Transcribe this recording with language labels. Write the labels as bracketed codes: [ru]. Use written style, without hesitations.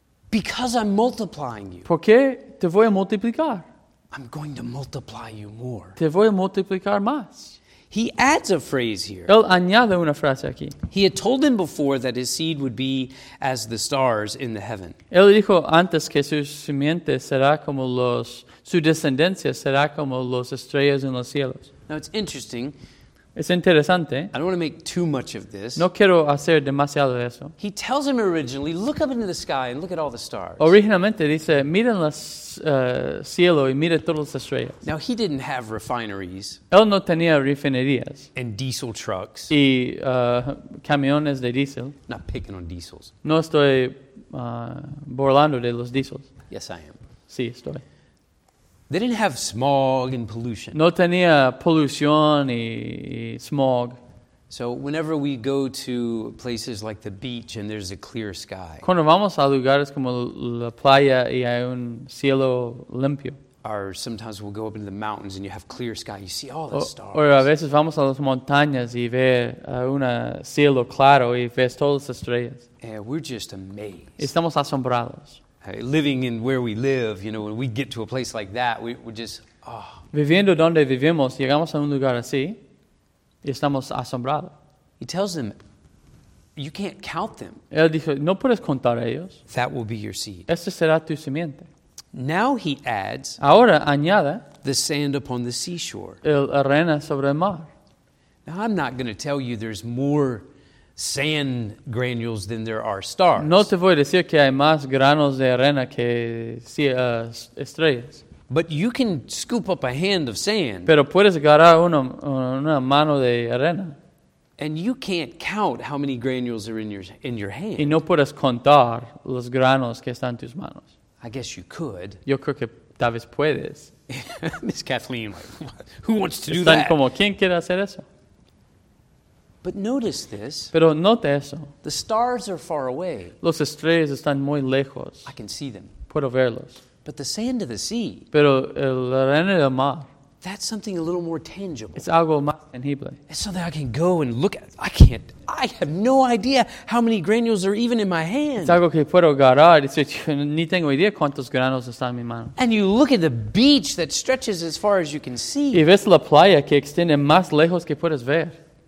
[en] Because I'm multiplying you. [es] Porque te voy a multiplicar. [en] I'm going to multiply you more. [es] Te voy a multiplicar más. [en] He adds a phrase here. [es] Él añade una frase aquí. [en] He had told him before that his seed would be as the stars in the heaven. [es] Él dijo antes que su simiente será como los, su descendencia será como los estrellas en los cielos. [en] Now it's interesting. [es] Es interesante. [en] I don't want to make too much of this. [es] No quiero hacer demasiado de eso. [en] He tells him originally, look up into the sky and look at all the stars. [es] Originalmente dice, mira el cielo y mira todas las estrellas. [en] Now he didn't have refineries. [es] Él no tenía refinerías. [en] And diesel trucks. [es] Y camiones de diésel. [en] Not picking on diesels. [es] No estoy burlando de los diésels. [en] Yes, I am. [es] Sí, estoy. [en] They didn't have smog and pollution. [es] No tenía polución y smog. [en] So whenever we go to places like the beach and there's a clear sky. [es] Cuando vamos a lugares como la playa y hay un cielo limpio. [en] Or sometimes we'll go up into the mountains and you have clear sky. You see all the stars. [es] O a veces vamos a las montañas y ve un cielo claro y ves todas las estrellas. [en] And we're just amazed. [es] Estamos asombrados. [en] Living in where we live, you know, when we get to a place like that, we're just, oh. [es] Viviendo donde vivimos, llegamos a un lugar así, y estamos asombrados. [en] He tells them, you can't count them. [es] Él dice, no puedes contar a ellos. [en] That will be your seed. [es] Este será tu simiente. [en] Now he adds, [es] ahora añade, [en] the sand upon the seashore. [es] El arena sobre el mar. [en] Now I'm not going to tell you there's more sand granules than there are stars. [es] No te voy a decir que hay más granos de arena que sí, estrellas. [en] But you can scoop up a hand of sand. [es] Pero puedes agarrar una mano de arena. [en] And you can't count how many granules are in your hand. [es] Y no puedes contar los granos que están en tus manos. [en] I guess you could. [es] Yo creo que tal vez puedes. [en] Miss Kathleen, who wants to [es] están [en] do that? [es] Como, ¿quién quiere hacer eso? [en] But notice this. [es] Pero note eso. [en] The stars are far away. [es] Los estrellas están muy lejos. [en] I can see them. [es] Puedo verlos. [en] But the sand of the sea. [es] Pero el arena del mar. [en] that's something a little more tangible. [es] Es algo más tangible. [en] It's something I can go and look at. I can't. I have no idea how many granules are even in my hand. [es] Es algo que puedo agarrar. Es decir, ni tengo idea cuántos granos están en mi mano. [en] And you look at the beach that stretches as far as you can see. [es] Y ves la playa que extiende más lejos que puedes ver.